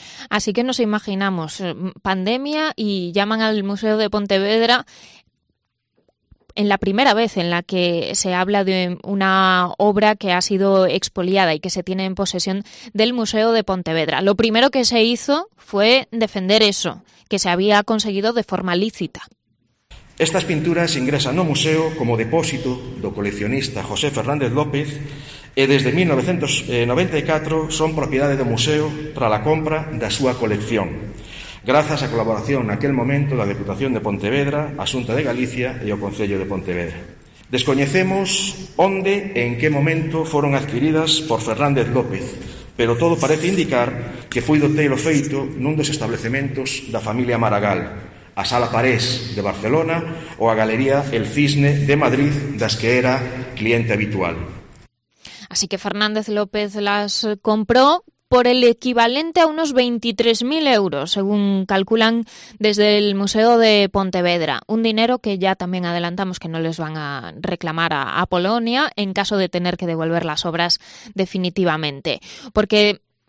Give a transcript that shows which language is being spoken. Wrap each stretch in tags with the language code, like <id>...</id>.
<es>Así que nos imaginamos, pandemia y llaman al Museo de Pontevedra en la primera vez en la que se habla de una obra que ha sido expoliada y que se tiene en posesión del Museo de Pontevedra. Lo primero que se hizo fue defender eso, que se había conseguido de forma lícita.</es> <gl>Estas pinturas ingresan no museo como depósito do coleccionista José Fernández López e desde 1994 son propiedade do museo tras a compra da súa colección, grazas á colaboración naquel momento da Deputación de Pontevedra, a Xunta de Galicia e o Concello de Pontevedra. Descoñecemos onde e en que momento foron adquiridas por Fernández López, pero todo parece indicar que foi do telo feito nun dos establecementos da familia Maragall, a Sala Parés de Barcelona ou a Galería El Cisne de Madrid, das que era cliente habitual.</gl> <es>Así que Fernández López las compró por el equivalente a unos 23.000 euros, según calculan desde el Museo de Pontevedra. Un dinero que ya también adelantamos que no les van a reclamar a Polonia en caso de tener que devolver las obras definitivamente. Porque</es>